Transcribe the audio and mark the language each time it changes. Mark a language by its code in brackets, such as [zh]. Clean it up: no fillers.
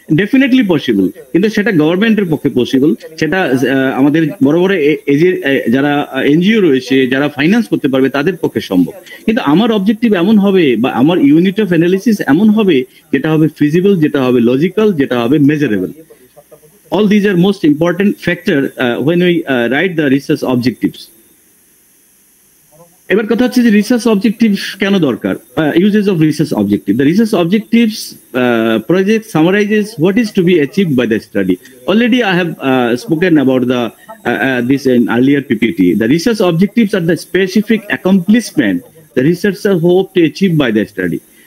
[bn] Definitely possible, কিন্তু সেটা গভর্নমেন্টের পক্ষে পসিবল, সেটা আমাদের বড় বড় যারা এনজিও রয়েছে যারা ফাইন্যান্স করতে পারবে তাদের পক্ষে সম্ভব, কিন্তু আমার অবজেক্টিভ এমন হবে বা আমার ইউনিট অফ অ্যানালিসিস এমন হবে যেটা হবে ফিজিবল, যেটা হবে লজিক্যাল, যেটা হবে measurable. [en] All these are most important factor when we write the research objectives. [bn] এবার কথা হচ্ছে যে রিসার্চ অবজেকটিভস কেন দরকার, [en] Uses of research objective, the research objectives project summarises what is to be achieve by the study. Already I have spoken about the this in earlier PPT, the research objectives are the specific accomplishment the researcher hope to achieve by the study.